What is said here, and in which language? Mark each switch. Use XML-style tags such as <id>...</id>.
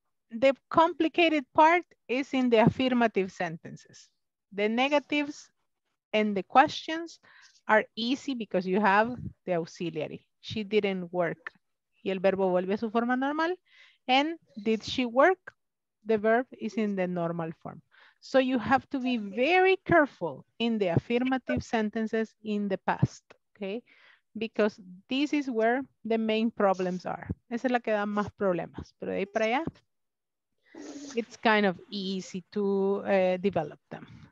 <en>The complicated part is in the affirmative sentences. The negatives and the questions are easy because you have the auxiliary. She didn't work.</en> <es>Y el verbo vuelve a su forma normal.</es> <en>And did she work? The verb is in the normal form. So you have to be very careful in the affirmative sentences in the past, okay? Because this is where the main problems are.</en> <es>Esa es la que da más problemas. Pero de ahí para allá,</es> <en>it's kind of easy to develop them.</en>